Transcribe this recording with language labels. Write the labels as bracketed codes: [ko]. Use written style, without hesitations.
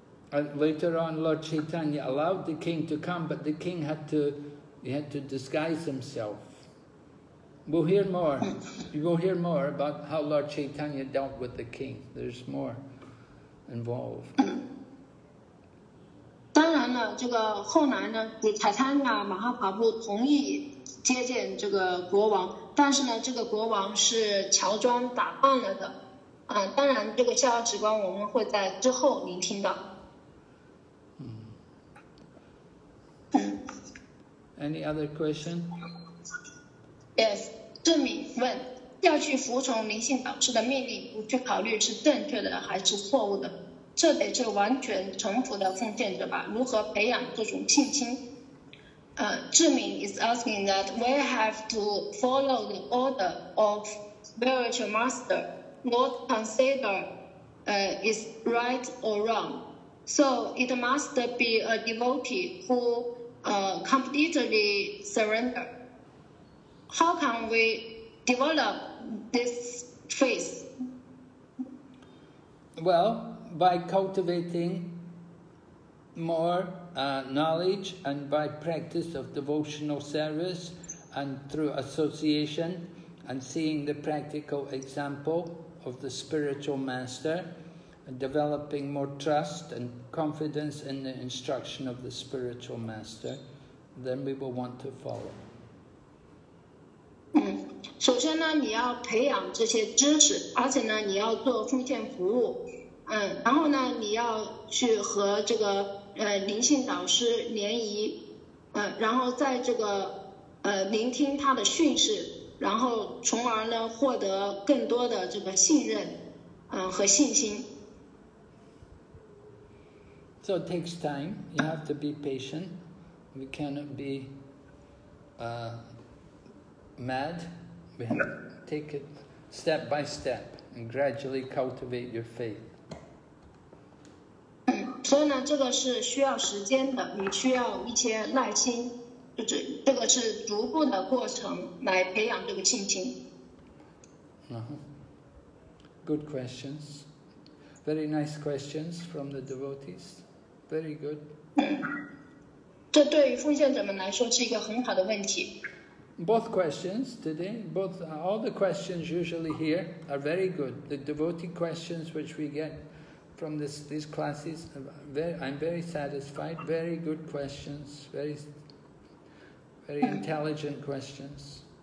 [en] And later on, Lord Chaitanya allowed the king to come, but the king had to disguise himself. We'll hear more about how Lord Chaitanya dealt with the king. There's more involved. [zh] 当然了，这个后来呢，主财参呢，马哈帕布同意接见这个国王，但是呢，这个国王是乔装打扮了的，当然这个逍遥直观我们会在之后聆听的。 [en] Any other question? [zh] Yes, 郑敏问，要去服从灵性导师的命令，不去考虑是正确的还是错误的，这得是完全臣服的奉献者吧？如何培养这种信心？ [en] Zhiming is asking that we have to follow the order of spiritual master, not consider is right or wrong. So it must be a devotee who completely surrender. How can we develop this faith? Well, by cultivating more knowledge and by practice of devotional service and through association and seeing the practical example of the spiritual master and developing more trust and confidence in the instruction of the spiritual master, then we will want to follow. [zh] 首先呢，你要培养这些知识，而且呢，你要做奉献服务。然后呢，你要去和这个灵性导师联谊，然后在这个聆听他的训示，然后从而呢获得更多的这个信任，和信心。 [en] So it takes time. You have to be patient. We cannot be mad. We have to take it step by step and gradually cultivate your faith. [zh] 所以呢，这个是需要时间的，你需要一些耐心，就是这个是逐步的过程来培养这个信心。 [en] Good questions, very nice questions from the devotees, very good. [zh] 这对于奉献者们来说是一个很好的问题。 [en] Both questions today, both all the questions usually here are very good. The devotee questions which we get. From these classes, I'm very satisfied. Very good questions. Very, very intelligent questions.